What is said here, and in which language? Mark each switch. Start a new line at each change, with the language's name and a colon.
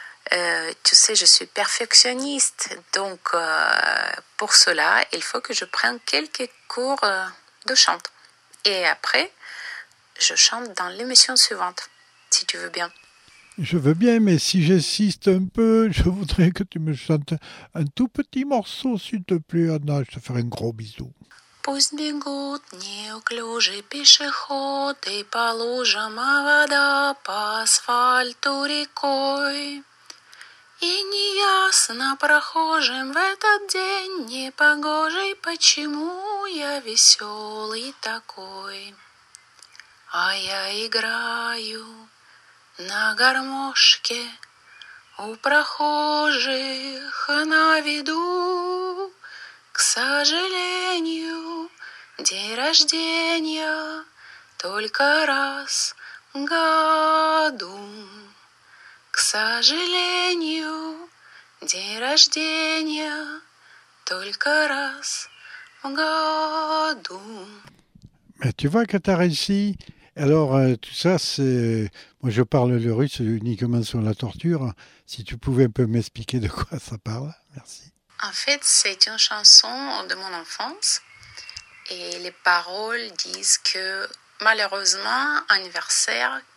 French: Tu sais, je suis perfectionniste. Donc, pour cela, il faut que je prenne quelques cours de chant. Et après, je chante dans l'émission suivante, si tu veux bien. Je veux bien, mais si j'insiste un peu, je voudrais que tu me chantes un tout petit morceau, s'il te plaît, Anna. Je te ferai un gros bisou.
Russian: Пусть бегут неуклюжие пешеходы по лужам, а вода по асфальту рекой. И неясно прохожим в этот день непогожий, почему я веселый такой. А я играю на гармошке у прохожих на виду. К сожалению, день рождения только раз в году. К сожалению, день рождения только раз в году.
French: Mais tu vois que t'as réussi. Alors, tout ça, c'est... Moi, je parle le russe uniquement sur la torture. Si tu pouvais un peu m'expliquer de quoi ça parle, merci. En fait, c'est une chanson de mon enfance. Et les paroles disent que, malheureusement, anniversaire,